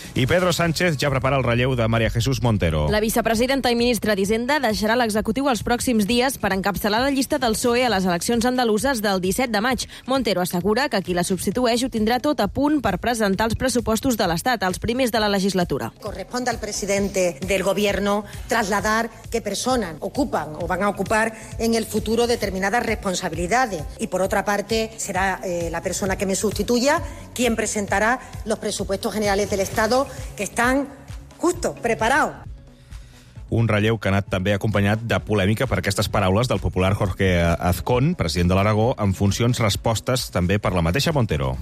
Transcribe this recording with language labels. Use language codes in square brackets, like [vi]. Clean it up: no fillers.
[ca] I Pedro Sánchez ja prepara el relleu de Maria Jesús Montero. La vicepresidenta i ministra d'Hisenda deixarà l'executiu els pròxims dies per encapçalar la llista del PSOE a les eleccions andaluses del 17 de maig. Montero assegura que qui la substitueix ho tindrà tot a punt per presentar els pressupostos de l'Estat, els primers de la legislatura. [es] Correspon al presidente del gobierno trasladar qué personas ocupan o van a ocupar en el futuro determinadas responsabilidades. Y por otra parte, será la persona que me sustituya quien presentará los presupuestos generales del Estado que están justo preparados. [ca] Un relleu que ha anat també acompanyat de polèmica per aquestes paraules del popular Jorge Azcón, president de l'Aragó, en funcions respostes també per la mateixa Montero.